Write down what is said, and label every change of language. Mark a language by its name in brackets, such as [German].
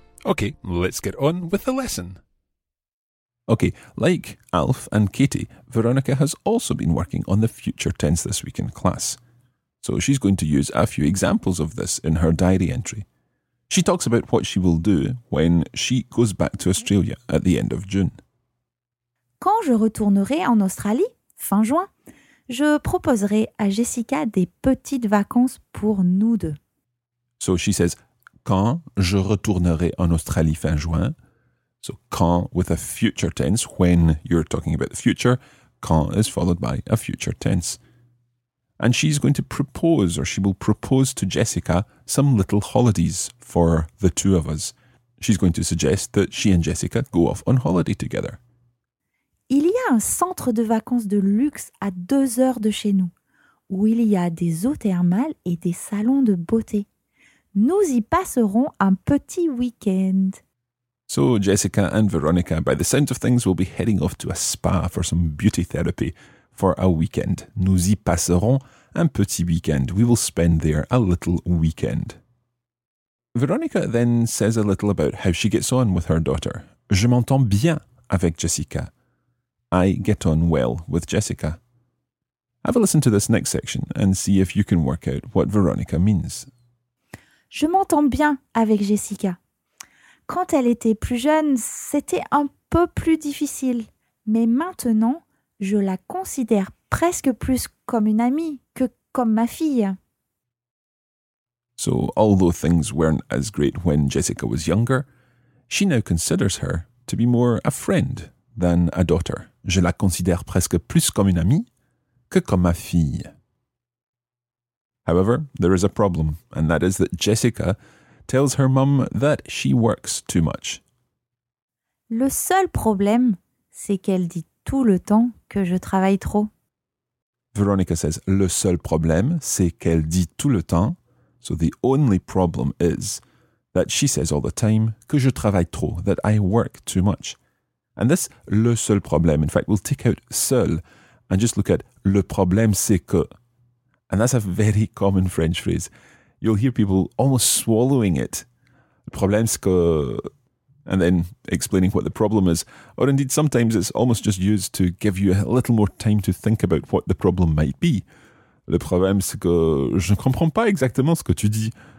[English] Okay, let's get on with the lesson. Okay, like Alf and Katie, Veronica has also been working on the future tense this week in class. So she's going to use a few examples of this in her diary entry. She talks about what she will do when she goes back to Australia at the end of June. [French] Quand je retournerai en Australie, fin juin, je proposerai à Jessica des petites vacances pour nous deux. [English] So she says, [French] quand je retournerai en Australie fin juin. [English] So quand with a future tense, when you're talking about the future, quand is followed by a future tense. And she's going to propose, or she will propose to Jessica, some little holidays for the two of us. She's going to suggest that she and Jessica go off on holiday together. [French] Il y a un centre de vacances de luxe à 2 heures de chez nous, où il y a des eaux thermales et des salons de beauté. Nous y passerons un petit week-end. [English] So Jessica and Veronica, by the sound of things, will be heading off to a spa for some beauty therapy for a weekend. [French] Nous y passerons un petit week-end. [English] We will spend there a little weekend. Veronica then says a little about how she gets on with her daughter. [French] Je m'entends bien avec Jessica. [English] I get on well with Jessica. Have a listen to this next section and see if you can work out what Veronica means. [French] Je m'entends bien avec Jessica. Quand elle était plus jeune, c'était un peu plus difficile. Mais maintenant, je la considère presque plus comme une amie que comme ma fille. [English] So, although things weren't as great when Jessica was younger, she now considers her to be more a friend than a daughter. [French] Je la considère presque plus comme une amie que comme ma fille. [English] However, there is a problem, and that is that Jessica tells her mum that she works too much. [French] Le seul problème, c'est qu'elle dit tout le temps que je travaille trop. Veronica says, le seul problème, c'est qu'elle dit tout le temps. [English] So the only problem is that she says all the time [French] que je travaille trop, [English] that I work too much. And this, [French] le seul problème, [English] in fact, we'll take out seul and just look at [French] le problème, c'est que. [English] And that's a very common French phrase. You'll hear people almost swallowing it. [French] Le problème, c'est que... [English] And then explaining what the problem is. Or indeed, sometimes it's almost just used to give you a little more time to think about what the problem might be. [French] Le problème, c'est que je ne comprends pas exactement ce que tu dis.